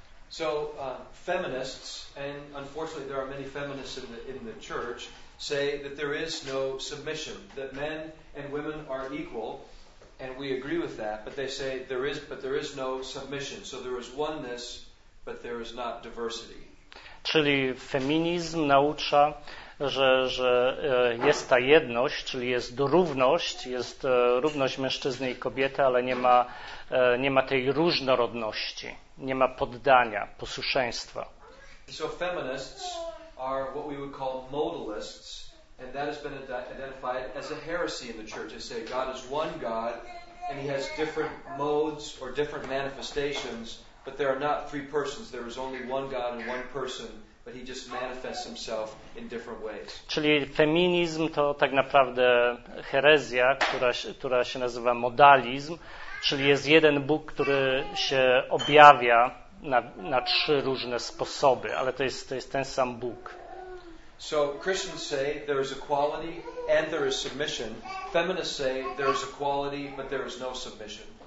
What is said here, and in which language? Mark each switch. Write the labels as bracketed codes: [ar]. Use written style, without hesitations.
[en] So feminists, and unfortunately there are many feminists in the church, say that there is no submission, that men and women are equal, and we agree with that, but they say there is no submission. So there is oneness, but there is not diversity. [pl] Czyli feminizm naucza, że jest ta jedność, czyli jest równość mężczyzny i kobiety, ale nie ma tej różnorodności, nie ma poddania, posłuszeństwa. [en] So feminists are what we would call modalists, and that has been identified as a heresy in the church. They say God is one God, and he has different modes or different manifestations, but there are not three persons. There is only one God and one person, but he just manifests himself in different ways. [pl] Czyli feminizm to tak naprawdę herezja, która się nazywa modalizm, czyli jest jeden Bóg, który się objawia na trzy różne sposoby, ale to jest ten sam Bóg. [en] So Christians say there is equality and there is submission. Feminists say there is equality but there is no submission.